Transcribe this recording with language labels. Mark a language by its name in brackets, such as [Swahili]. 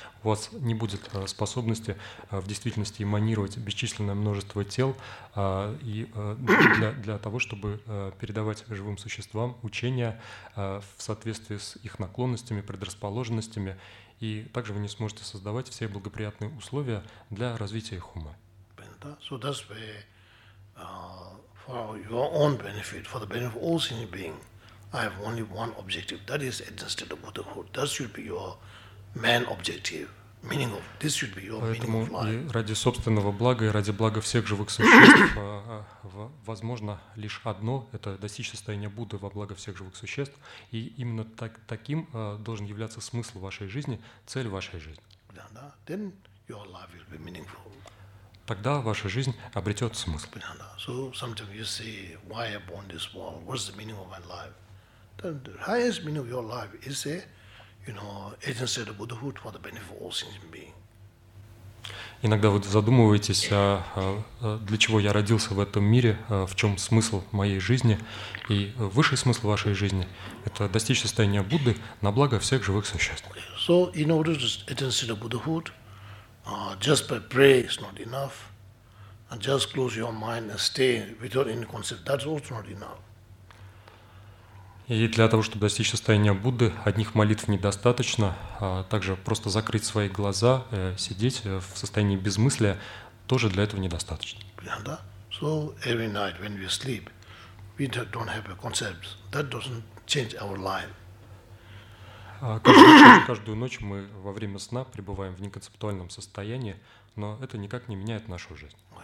[Russian] У вас не будет способности в действительности эманировать бесчисленное множество тел и для того, чтобы передавать живым существам учения в соответствии с их наклонностями, предрасположенностями, и также вы не сможете создавать все благоприятные условия для развития их ума. [English] So that's where, for your own benefit, for the benefit of all sentient beings, I have only one objective. That is attaining state of Buddhahood. That should be your main objective. Meaning of this should be your [Russian] Поэтому [English] meaning of life. [Russian] Поэтому и ради собственного блага и ради блага всех живых существ возможно лишь одно – это достичь состояния Будды во благо всех живых существ. И именно таким должен являться смысл вашей жизни, цель вашей жизни. [English] Да. Then your life will be meaningful. [Russian] Тогда ваша жизнь обретет смысл. [English] So sometimes you see why I born this world. What's the meaning of my life? The highest meaning of your life is a, you know, agent of Buddhahood for the benefit of all sentient beings. [Russian] Иногда вы задумываетесь, для чего я родился в этом мире, в чем смысл моей жизни, и высший смысл вашей жизни – это достичь состояния Будды на благо всех живых существ. [English] Okay. So in order to attain state of Buddhahood. Just by prayer is not enough, and just close your mind and stay without any concept. That's also not enough. [Russian] И для того, чтобы достичь состояния Будды, одних молитв недостаточно. Также просто закрыть свои глаза, сидеть в состоянии безмыслия, тоже для этого недостаточно. Да. [English] So every night when we sleep, we don't have a concept. That doesn't change our life. [Russian] Каждую ночь мы во время сна пребываем в неконцептуальном состоянии, но это никак не меняет нашу жизнь.